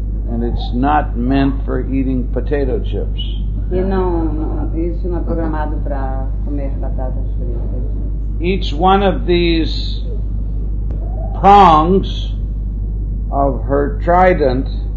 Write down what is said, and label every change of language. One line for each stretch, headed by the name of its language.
English: And it's not meant for eating potato chips.
Portuguese: E não, isso não é programado para comer batatas fritas.
English: Each one of these prongs of her trident,